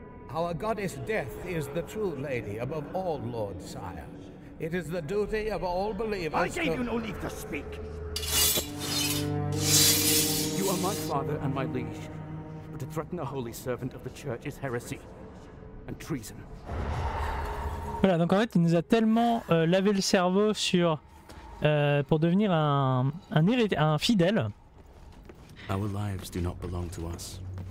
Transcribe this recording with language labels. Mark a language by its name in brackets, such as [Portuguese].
[English] Our goddess Death is the true lady above all lords, sire. It is the duty of all believers. I gave you no leave to speak. You are my father and my liege, but to threaten a holy servant of the church is heresy and treason. [French] Voilà, donc en fait, il nous a tellement lavé le cerveau sur pour devenir un fidèle. [English] Our lives do not belong to us.